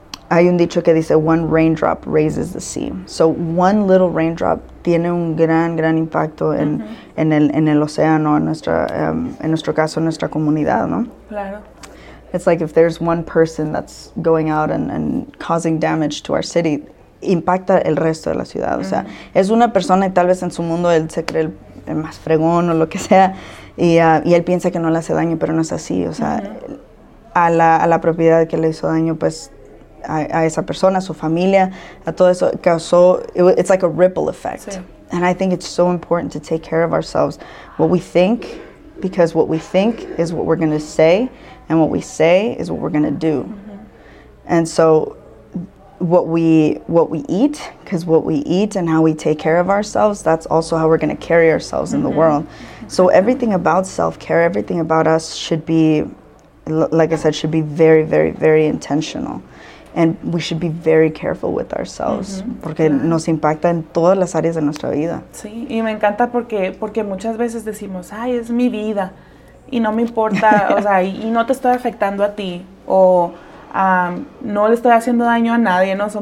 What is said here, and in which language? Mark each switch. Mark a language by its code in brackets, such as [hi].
[es] Hay un dicho que dice, [en] one raindrop raises the sea. So one little raindrop [es] tiene un gran, gran impacto en, en el océano, en nuestro caso, en nuestra comunidad, ¿no? Claro. [en] It's like if there's one person that's going out and causing damage to our city, [es] impacta el resto de la ciudad. O sea, es una persona y tal vez en su mundo él se cree el más fregón o lo que sea, y él piensa que no le hace daño, pero no es así. O sea, a la propiedad que le hizo daño, pues, a esa persona, a su familia, a todo eso, causó, [en] it's like a ripple effect. [es] Sí. [en] And I think it's so important to take care of ourselves, what we think, because what we think is what we're going to say, and what we say is what we're going to do. And so, what we eat, because what we eat and how we take care of ourselves, that's also how we're going to carry ourselves in the world. So everything about self-care, everything about us should be, like I said, should be very, very, very intentional. And we should be very careful with ourselves. [es] Porque nos impacta en todas las áreas de nuestra vida. Sí, y me encanta porque muchas veces decimos, ay, es mi vida, y no me importa, o sea, y no te estoy afectando a ti, o no le estoy haciendo daño a nadie, ¿no?